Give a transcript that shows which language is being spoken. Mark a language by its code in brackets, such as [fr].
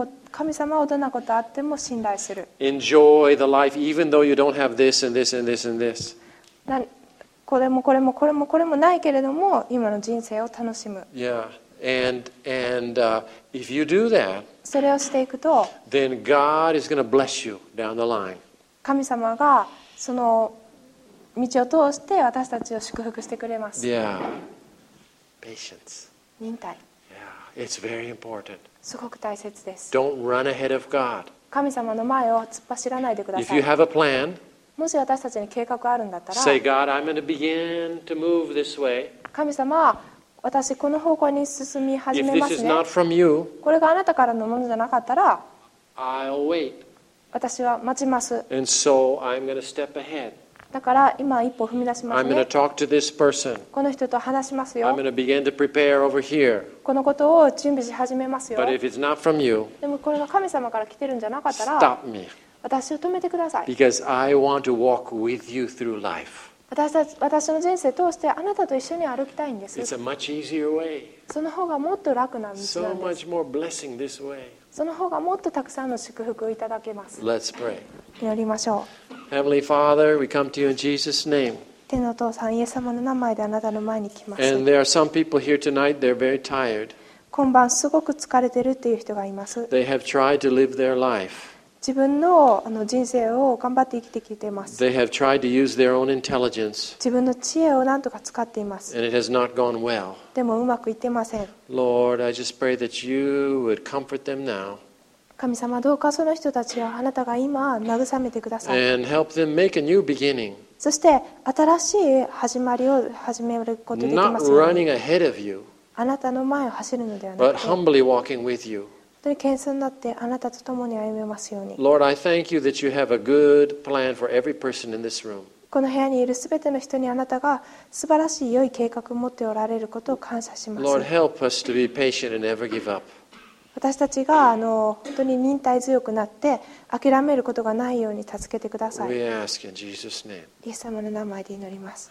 [ja] 神様をどんなことあっても信頼する。 [en] Enjoy the life even though you don't have this and this and this and this. [ja] これもこれもこれもこれもないけれども今の人生を楽しむ。 [en] Yeah. And if you do that, [ja] それをしていくと、 [en] then God is going to bless you down the line. [ja] 神様がその道を通して私たちを祝福してくれます。 [en] Yeah. Patience. [ja] 忍耐。 [en] Yeah. It's very important. [ja] すごく大切です。 [en] Don't run ahead of God. [ja] 神様の前を突っ走らないでください。 [en] If you have a plan, [ja] もし私たちに計画があるんだったら、 [en] Say, God, I'm going to begin to move this way. [ja] 神様、私この方向に進み始めますね。 [en] If this is not from you, [ja] これがあなたからのものじゃなかったら、 [en] I'll wait. [ja] 私は待ちます。 [en] And so I'm going to step ahead. [ja] だから今一歩踏み出しますね。 [en] I'm going to talk to this person. [ja] この人と話しますよ。 [en] I'm going to begin to prepare over here. [ja] このことを準備し始めますよ。 [en] But if it's not from you, [ja] でもこれが神様から来てるんじゃなかったら、 [en] Stop me. [ja] 私を止めてください。 [en] Because I want to walk with you through life. [ja] 私の人生通してあなたと一緒に歩きたいんです。 [en] It's a much easier way. [ja] その方がもっと楽な道なんです。 [en] So much more blessing this way. [ja] その方がもっとたくさんの祝福をいただけます。 [en] Let's pray. [ja] 祈りましょう。 [en] Heavenly Father, we come to you in Jesus' name. [ja] 天のお父さん、イエス様の名前であなたの前に来ます。 [en] And there are some people here tonight, they're very tired. [ja] 今晩すごく疲れてるっていう人がいます。 [en] They have tried to live their life. [ja] 自分の人生を頑張って生きてきています。 [en] They have tried to use their own intelligence. [ja] 自分の知恵を何とか使っています。 [en] And it has not gone well. [ja] でもうまくいってません。 [en] Lord, I just pray that you would comfort them now. [ja] 神様どうかその人たちをあなたが今慰めてください。そして新しい始まりを始めることができますように。あなたの前を走るのではなくて、本当に謙遜になってあなたと共に歩めますように。この部屋にいる全ての人にあなたが素晴らしい良い計画を持っておられることを感謝します。 [en] Lord, help us to be patient and never give up. [ja] 私たちが本当に忍耐強くなって諦めることがないように助けてください。 [en] We ask in Jesus' name. [ja] イエス様の名前で祈ります。